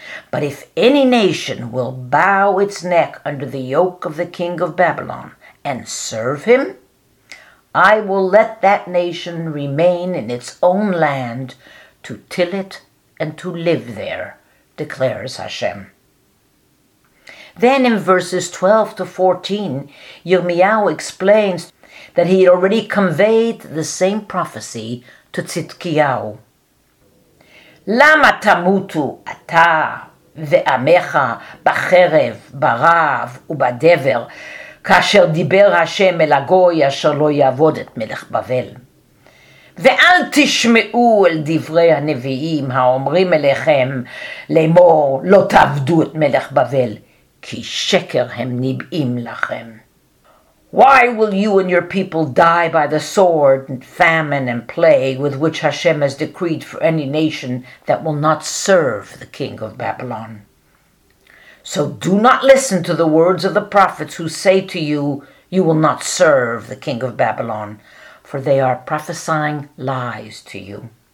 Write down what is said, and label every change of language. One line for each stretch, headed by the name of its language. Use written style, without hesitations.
English: But if any nation will bow its neck under the yoke of the king of Babylon and serve him, I will let that nation remain in its own land to till it and to live there, declares Hashem. Then in verses 12 to 14, Yirmiyahu explains that he had already conveyed the same prophecy to Tzidkiyahu.
Hebrew: למה תמותו אתה ועמך בחרב, ברעב ובדבר, כאשר דיבר השם אל הגוי אשר לא יעבוד את מלך בבל? ואל תשמעו אל דברי הנביאים האומרים אליכם לאמור לא תעבדו את מלך בבל, כי שקר הם ניבאים לכם.
English: Why will you and your people die by the sword, famine, and plague with which Hashem has decreed for any nation that will not serve the king of Babylon? So do not listen to the words of the prophets who say to you, you will not serve the king of Babylon, for they are prophesying lies to you.